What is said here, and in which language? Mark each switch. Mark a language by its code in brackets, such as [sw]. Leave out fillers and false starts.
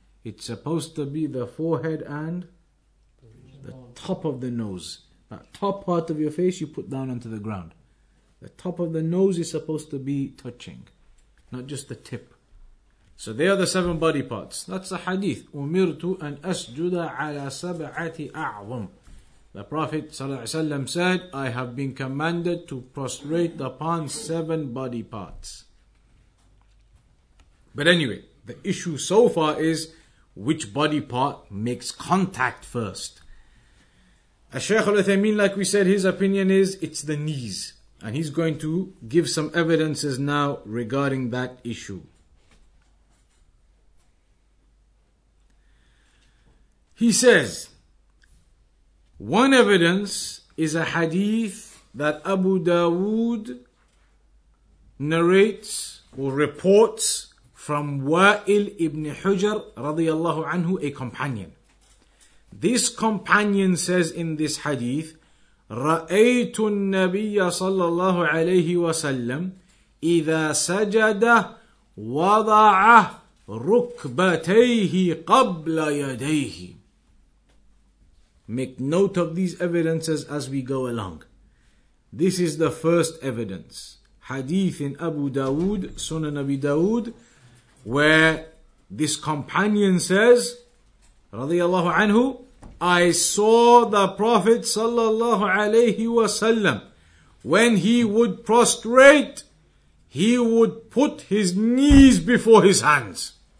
[en] It's supposed to be the forehead and the top of the nose. That top part of your face you put down onto the ground. The top of the nose is supposed to be touching, not just the tip. So they are the seven body parts. That's a hadith. [ar] أُمِرْتُ أَنْ أَسْجُدَ عَلَى سَبْعَةِ أَعْظُمْ. [en] The Prophet ﷺ said, I have been commanded to prostrate upon seven body parts. But anyway, the issue so far is which body part makes contact first. Shaykh Uthaymeen, like we said, his opinion is it's the knees. And he's going to give some evidences now regarding that issue. He says, one evidence is a hadith that Abu Dawood narrates or reports from Wa'il ibn Hujar radiyallahu anhu, a companion. This companion says in this hadith, [ar] رَأَيْتُ النَّبِيَّ صَلَّى اللَّهُ عَلَيْهِ وَسَلَّمْ إِذَا سَجَدَ وَضَعَ رُكْبَتَيْهِ قَبْلَ يَدَيْهِ. [en] Make note of these evidences as we go along. This is the first evidence. Hadith in Abu Dawood, Sunan Abi Dawood, where this companion says, radiyallahu anhu, I saw the Prophet sallallahu alayhi wa sallam, when he would prostrate, he would put his knees before his hands.